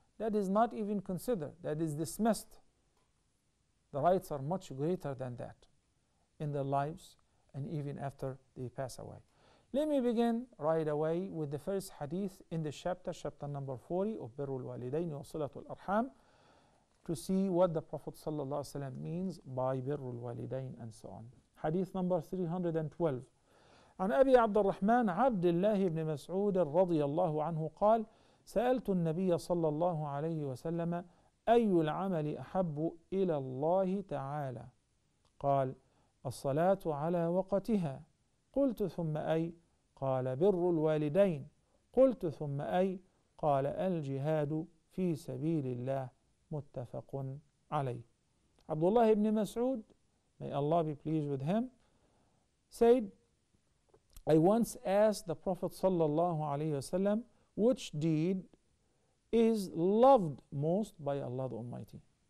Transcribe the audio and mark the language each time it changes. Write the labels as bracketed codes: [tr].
[en] That is not even considered. That is dismissed. The rights are much greater than that in their lives and even after they pass away. Let me begin right away with the first hadith in the chapter, chapter number 40 of Birru al-Walidayn wa Silatul Arham, to see what the Prophet sallallahu alaihi wasallam means by Birru al-Walidayn and so on. Hadith number 312. [ar] عن أبي عبد الرحمن عبد الله بن مسعود رضي الله عنه قال سألت النبي صلى الله عليه وسلم أي العمل أحب إلى الله تعالى؟ قال الصلاة على وقتها. قلت ثم أي؟ قال بر الوالدين. قلت ثم أي؟ قال الجهاد في سبيل الله. متفق عليه. [en] Abdullah ibn Mas'ud, may Allah be pleased with him, said, I once asked the Prophet sallallahu alayhi wa sallam, which deed is loved most by Allah the Almighty?